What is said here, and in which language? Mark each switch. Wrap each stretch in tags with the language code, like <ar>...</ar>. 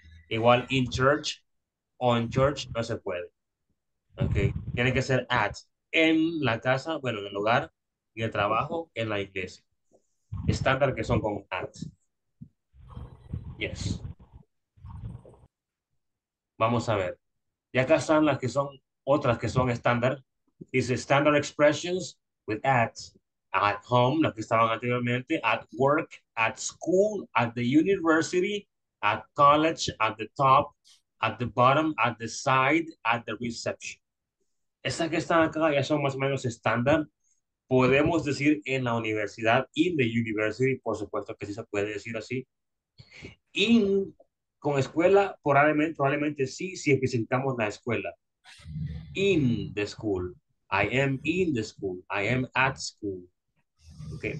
<es>Igual</es> <en>in church, on church,</en> <es>no se puede. Okay, tiene que ser at, en la casa, bueno, en el hogar, y el trabajo, en la iglesia. Estándar que son con at. Yes. Vamos a ver. Y acá están las que son otras que son estándar. Dice</es> <en>standard expressions with at. At home,</en> <es>las que estaban anteriormente.</es> <en>At work, at school, at the university, at college, at the top, at the bottom, at the side, at the reception.</en> <es>Estas que están acá ya son más o menos estándar. Podemos decir en la universidad,</es> <en>in the university,</en> <es>por supuesto que sí se puede decir así. In, con escuela, probablemente sí, si especificamos la escuela.</es> <en>In the school. I am in the school. I am at school. Okay.</en>